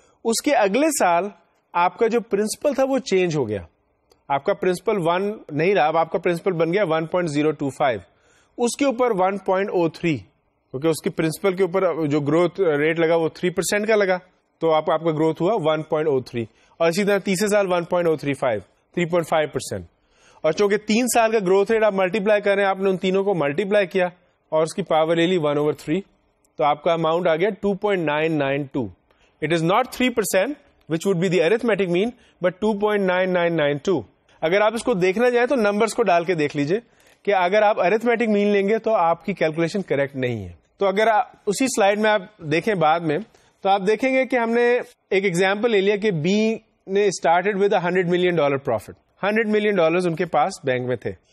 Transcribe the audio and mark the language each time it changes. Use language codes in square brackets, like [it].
[ur] اس کے اگلے سال آپ کا جو پرنسپل تھا وہ چینج ہو گیا, آپ کا پرنسپل 1 نہیں رہا, اب آپ کا پرنسپل بن گیا 1.025, اس کے اوپر 1.03, کیونکہ اس کے پرنسپل کے اوپر جو گروتھ ریٹ لگا وہ 3% کا لگا, تو آپ کا گروتھ ہوا 1.03. اور اسی طرح تیسرے سال 1.035, 3.5%. اور چونکہ 3 سال کا گروتھ ریٹ آپ ملٹیپلائی کر رہے ہیں, آپ نے ان تینوں کو ملٹیپلائی کیا اور اس کی پاور لے لی 1/3, تو آپ کا اماؤنٹ آ گیا 2.992. [en] It is not 3% which would be the arithmetic mean, but 2.9992. [ur] اگر آپ اس کو دیکھنا چاہیں تو نمبرز کو ڈال کے دیکھ لیجئے کہ اگر آپ ارتھمیٹک مین لیں گے تو آپ کی کیلکولیشن کریکٹ نہیں ہے. تو اگر اسی سلائڈ میں آپ دیکھیں بعد میں, تو آپ دیکھیں گے کہ ہم نے ایک ایگزامپل لے لیا کہ بی نے started with 100 million dollar profit, 100 million dollars in کے پاس بینک میں تھے.